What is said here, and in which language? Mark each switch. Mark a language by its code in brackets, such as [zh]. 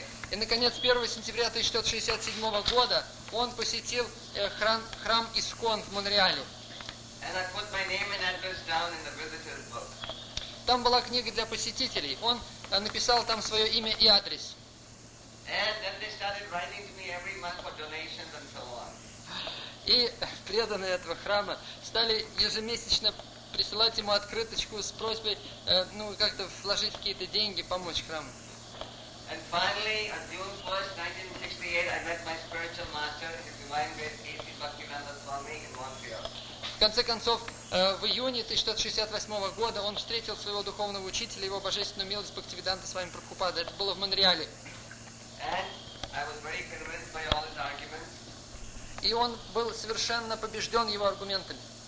[ru] и наконец, 1 сентября 1967 года он посетил храм Искон в Монреале. [en] And I put my name and address down in the visitor's book. [ru] Там была книга для посетителей. Он написал там свое имя и адрес. [en] And then they started writing to me every month for donations and so on. [ru] И преданные этого храма стали ежемесячно присылать ему открыточку с просьбой как-то вложить какие-то деньги, помочь храму. [en] And finally, on June 1st, 1968, I met my spiritual master, His Divine Grace A.C. Bhaktivinoda Swami in Montreal. [ru] В конце концов, в июне 1968 года он встретил своего духовного учителя, его божественную милость Бхактивиданта Свами Прабхупада. Это было в Монреале. [en] And I was very convinced by all his arguments. [ru] И он был совершенно побежден его аргументами.